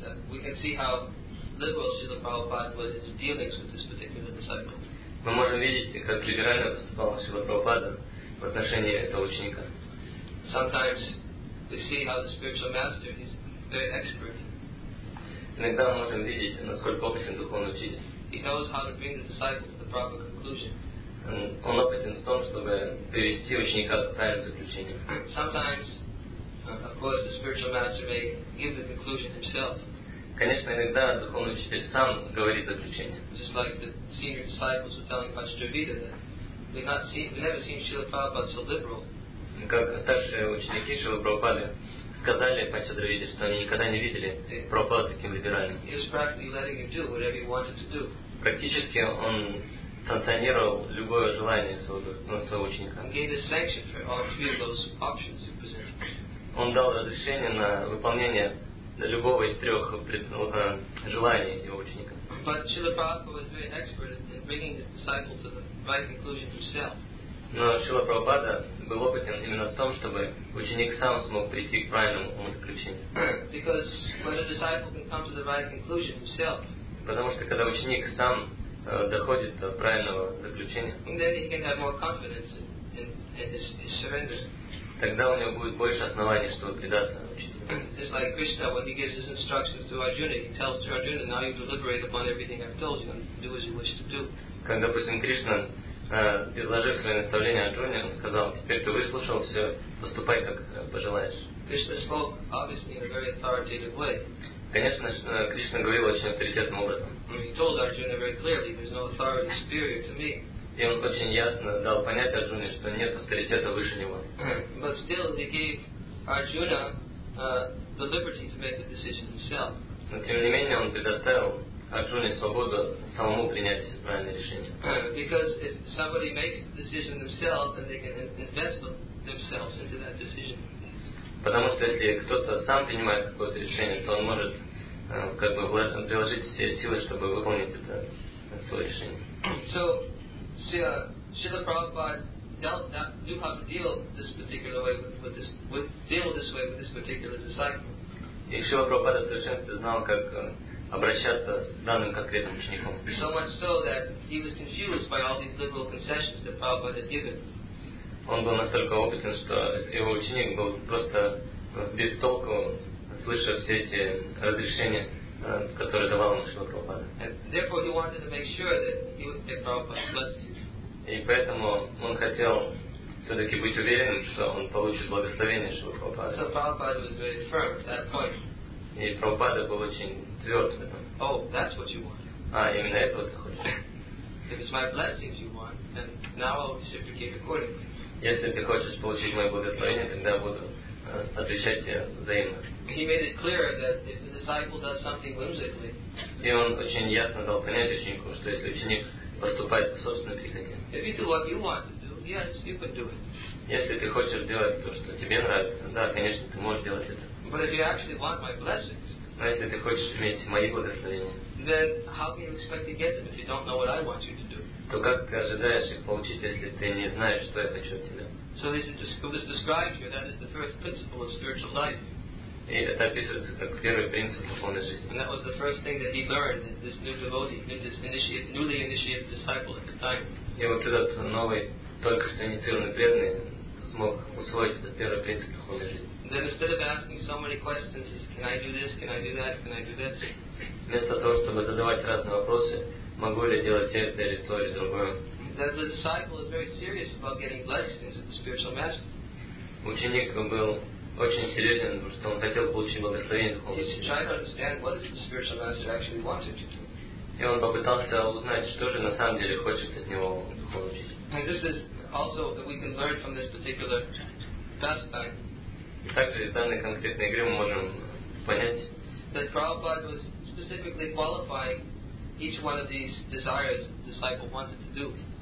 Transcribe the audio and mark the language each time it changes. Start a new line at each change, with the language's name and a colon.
English: We can see how liberal Srila Prabhupada was in his dealings with this particular disciple.
Russian: Мы можем видеть, как либерально поступал Шрила Прабхупада в отношении этого ученика.
English: Sometimes we see how the spiritual master is very expert.
Russian: Иногда мы можем видеть, насколько опытен духовный учитель.
English: He knows how to bring the disciple to the proper conclusion.
Russian: Он опытен в том, чтобы привести ученика к правильному заключению.
English: Sometimes, of course, the spiritual master may give the conclusion himself.
Russian: Конечно, иногда духовный учитель сам говорит заключение.
English: Just like the senior disciples were telling Panchadravida that we never seen Srila Prabhupada so liberal.
Russian: Как старшие ученики Шрилы Прабхупады сказали Панчадравиде, что они никогда не видели Прабхупаду таким либеральным.
English: He was practically letting him do whatever he wanted to do.
Russian: Практически он санкционировал любое желание своего ученика.
English: He gave the sanction for all three of those options he presented.
Russian: Он дал разрешение на выполнение для любого из трех желаний его ученика.
English: But Srila Prabhupada was very expert in bringing his disciples to the right conclusion himself.
Russian: Но Шрила Прабхупада был опытен именно в том, чтобы ученик сам смог прийти к правильному умозаключению.
English: Because when a disciple can come to the right conclusion himself.
Russian: Потому что когда ученик сам доходит до правильного заключения.
English: And then he can have more confidence in his surrender.
Russian: Тогда у него будет больше оснований, чтобы предаться.
English: It's like Krishna when he gives his instructions to Arjuna, he tells Arjuna, now you deliberate upon everything I've told you and do as you wish to do.
Russian: Как, допустим, Кришна, изложив свои наставления Арджуне, он сказал, теперь ты выслушал все, поступай как пожелаешь.
English: Krishna spoke obviously in a very authoritative way.
Russian: Конечно, Кришна говорил очень авторитетным образом.
English: He told Arjuna very clearly, there's no authority superior to me.
Russian: И он очень ясно дал понять Арджуне, что нет авторитета выше него.
English: But still he gave Arjuna the liberty to make the decision himself.
Russian: Но тем не менее он предоставил Арджуне свободу самому принять правильное решение.
English: Because if somebody makes the decision themselves, then they can invest themselves into that decision.
Russian: Потому что если кто-то сам принимает какое-то решение, то он может приложить все силы, чтобы выполнить это свое решение.
English: So Srila Prabhupada knew how to deal this particular way with this particular disciple.
Russian: И Шрила Прабхупада совершенно знал, как обращаться с данным конкретным учеником.
English: So much so that he was confused by all these liberal concessions that Prabhupada had given.
Russian: Он был настолько опытен, что его ученик был просто сбит с толку, слыша все эти разрешения, которые давал ему Шрила Прабхупада.
English: Therefore, he wanted to make sure that he would get Prabhupada's blessing.
Russian: И поэтому он хотел все-таки быть уверенным, что он получит благословение Шрилы Прабхупады.
English: So Prabhupada was very firm at that point.
Russian: И Прабхупада был очень тверд в этом.
English: Oh, that's what you want.
Russian: А, именно этого ты хочешь.
English: If it's my blessings you want, then now I'll reciprocate accordingly.
Russian: Если ты хочешь получить мое благословение, тогда я буду отвечать тебе взаимно.
English: He made it clear that if the disciple does something whimsically.
Russian: И он очень ясно дал понять ученику, что если ученик поступает по собственной прихоти.
English: If you do what you want to do, Yes, you can do it.
Russian: Если ты хочешь делать то, что тебе нравится, да, конечно, ты можешь делать это.
English: But if you actually want my blessings,
Russian: но если ты хочешь иметь мои благословения,
English: then how can you expect to get them if you don't know what I want you to do?
Russian: То как ты ожидаешь их получить, если ты не знаешь, что я хочу от тебя?
English: So this describes here, that is the first principle of spiritual life.
Russian: И это описывается как первый принцип духовной жизни.
English: And that was the first thing that he learned, this new devotee, this initiate, newly initiated disciple at the time.
Russian: И вот этот новый, только что инициированный преданный, смог усвоить этот первый принцип духовной жизни.
English: Then instead of asking so many questions, can I do this, can I do that, can I do this?
Russian: Вместо того, чтобы задавать разные вопросы, могу ли делать это или то, или другое.
English: That the disciple is very serious about getting blessings of the spiritual master.
Russian: Ученик был очень серьезен, потому что он хотел получить благословение духовное.
English: He's trying to understand what is the spiritual master actually wanted to do.
Russian: И он попытался узнать, что же на самом деле хочет от него духовный учитель.
English: And this is also that we can learn from this particular pastime.
Russian: И также из данной конкретной игры мы можем понять,
English: that Prabhupada was specifically qualifying each one of these desires the disciple wanted to do.